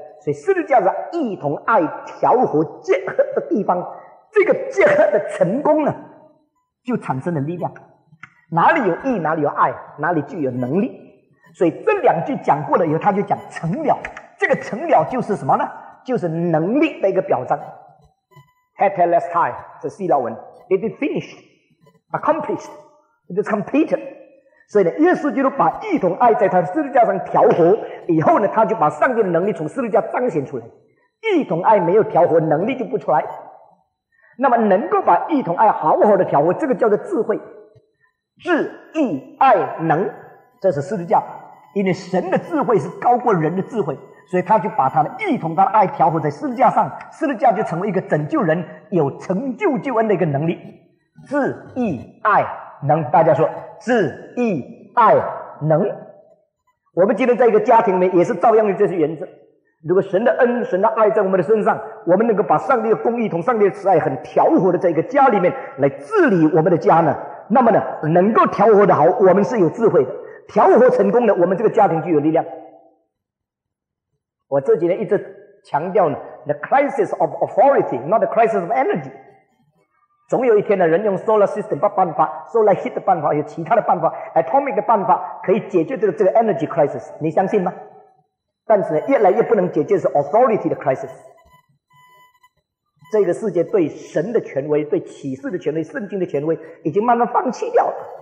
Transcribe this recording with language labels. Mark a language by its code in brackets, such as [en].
[zh] 所以十字架上义同爱调和结合的地方，这个结合的成功呢，就产生了力量。哪里有义，哪里有爱，哪里就有能力。所以这两句讲过了以后，他就讲成了。这个成了就是什么呢？就是能力的一个表彰。 [en] Tetelestai [zh] 是希腊文， [en] It is finished, accomplished, it is completed。 [zh] 所以呢，耶稣基督把义同爱在他的十字架上调和以后呢，他就把上帝的能力从十字架彰显出来。义同爱没有调和，能力就不出来。那么能够把义同爱好好的调和，这个叫做智慧。智、义、爱、能，这是十字架。因为神的智慧是高过人的智慧，所以他就把他的义同他的爱调和在十字架上，十字架就成为一个拯救人有成就救恩的一个能力。智、义、爱、能，大家说智、义、爱、能。我们今天在一个家庭里面也是照样的这些原则。如果神的恩、神的爱在我们的身上，我们能够把上帝的公义同上帝的慈爱很调和的在一个家里面来治理我们的家呢，那么呢，能够调和的好，我们是有智慧的，调和成功的，我们这个家庭就有力量。 [en] 我这几年一直强调呢 the crisis of authority, not the crisis of energy。 [zh] 总有一天呢，人用 solar system 的办法， solar heat 的办法，有其他的办法， atomic 的办法，可以解决这个 energy crisis, 你相信吗？但是呢，越来越不能解决是 authority 的 crisis。这个世界对神的权威、对启示的权威、圣经的权威已经慢慢放弃掉了。